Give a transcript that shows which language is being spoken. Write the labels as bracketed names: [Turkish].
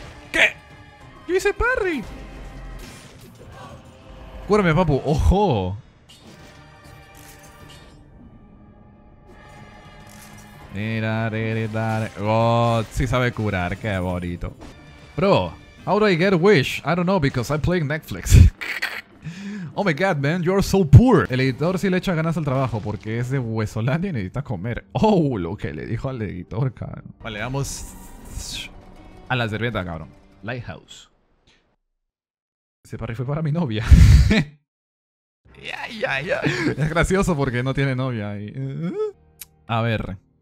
[Spanish] ¿Qué? ¡Yo hice parry! ¡Cúrame, papu! ¡Ojo! Mira, ¡oh! Sí sabe curar, qué bonito. [English] Bro, how do I get a wish? I don't know, because I'm playing Netflix. Oh my god, man, you're so poor. [Spanish] El editor sí le echa ganas al trabajo porque es de Huesolandia y necesita comer. Oh, lo que le dijo al editor, cabrón. Vale, vamos a la servilleta, cabrón. Lighthouse. Ese parry fue para mi novia. Es gracioso porque no tiene novia. Y... A ver.